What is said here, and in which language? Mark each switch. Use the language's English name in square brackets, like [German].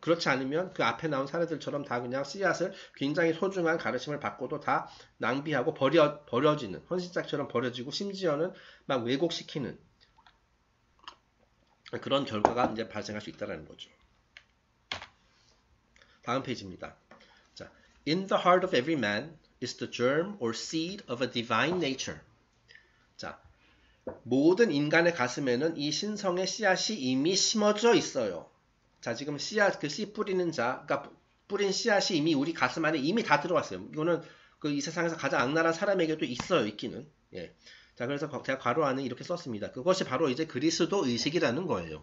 [Korean] 그렇지 않으면 그 앞에 나온 사례들처럼 다 그냥 씨앗을 굉장히 소중한 가르침을 받고도 다 낭비하고 버려지는, 헌신짝처럼 버려지고 심지어는 막 왜곡시키는 그런 결과가 이제 발생할 수 있다는 거죠. 다음 페이지입니다. [English] 자, In the heart of every man is the germ or seed of a divine nature. [Korean] 모든 인간의 가슴에는 이 신성의 씨앗이 이미 심어져 있어요. 자, 지금 씨앗, 그씨 뿌리는 자, 그러니까 뿌린 씨앗이 이미 우리 가슴 안에 이미 다 들어왔어요. 이거는 그이 세상에서 가장 악랄한 사람에게도 있어요, 있기는. 예. 자, 그래서 제가 괄호 안에 이렇게 썼습니다. 그것이 바로 이제 그리스도 의식이라는 거예요.